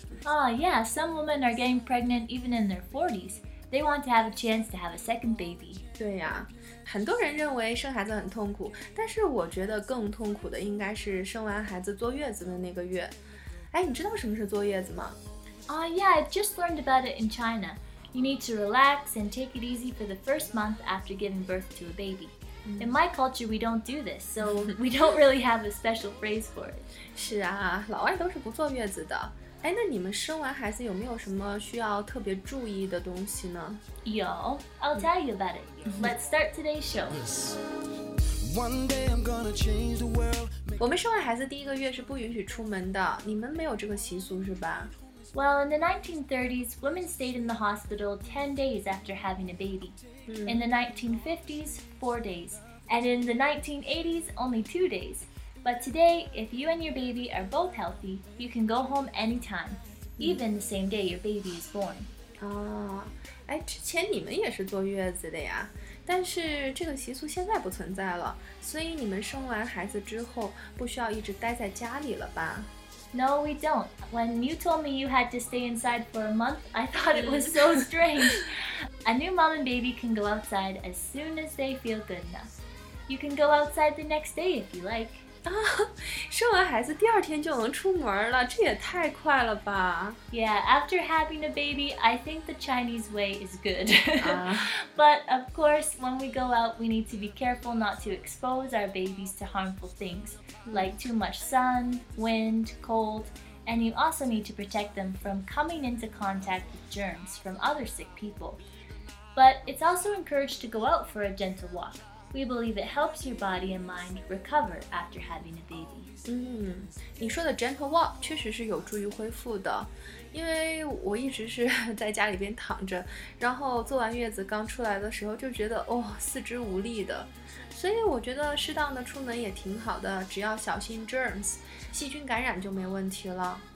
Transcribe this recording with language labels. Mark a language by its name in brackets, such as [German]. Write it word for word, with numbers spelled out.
[English] Oh yeah, some women are getting pregnant even in their forties. They want to have a chance to have a second baby. [Chinese] 对呀、啊，很多人认为生孩子很痛苦，但是我觉得更痛苦的应该是生完孩子坐月子的那个月。哎，你知道什么是坐月子吗？ [English] Oh yeah, I just learned about it in China. You need to relax and take it easy for the first month after giving birth to a baby. In my culture, we don't do this, so we don't really have a special phrase for it. [Chinese] 是啊，老外都是不坐月子的。哎，那你们生完孩子有没有什么需要特别注意的东西呢？有 [English] I'll tell you about it. Let's start today's show. One day I'm gonna change the world. [Chinese] 我们生完孩子第一个月是不允许出门的，你们没有这个习俗是吧？ [English] Well, in the nineteen thirties, women stayed in the hospital ten days after having a baby. Mm. In the nineteen fifties, four days. And in the nineteen eighties, only two days. But today, if you and your baby are both healthy, you can go home anytime, even the same day your baby is born. [Chinese] 哦，哎，之前你们也是坐月子的呀，但是这个习俗现在不存在了，所以你们生完孩子之后不需要一直待在家里了吧？ [English] No, we don't. When you told me you had to stay inside for a month, I thought it was so strange. A new mom and baby can go outside as soon as they feel good enough. You can go outside the next day if you like. [Chinese] 啊，生完孩子第二天就能出门了，这也太快了吧 [English] Yeah, after having a baby, I think the Chinese way is good. uh. But of course, when we go out, we need to be careful not to expose our babies to harmful things, like too much sun, wind, cold, and you also need to protect them from coming into contact with germs from other sick people. But it's also encouraged to go out for a gentle walk. We believe it helps your body and mind recover after having a baby. [Chinese] 嗯，你说的 [English] gentle walk [Chinese] 确实是有助于恢复的，因为我一直是在家里边躺着，然后坐完月子刚出来的时候就觉得哦四肢无力的，所以我觉得适当的出门也挺好的，只要小心 germs 细菌感染就没问题了。